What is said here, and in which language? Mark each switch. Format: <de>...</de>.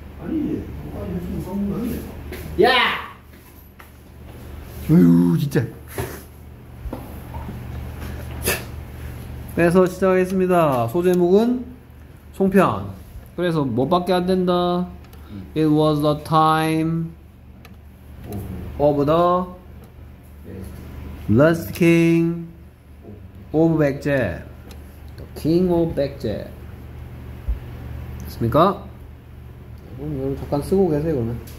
<ko>잠깐만. 너 미리 한 거 아니야? 아니지. 아니, 했으면 성공 아니야. 야! 어휴, 진짜. 그래서 시작하겠습니다. 소제목은 송편. 그래서 뭐밖에 안 된다?</ko> <en>It was the time of the last king of 백제. The king of 백제.</en> <ko>됐습니까? 그럼 여러분 잠깐 쓰고 계세요, 그러면.</ko>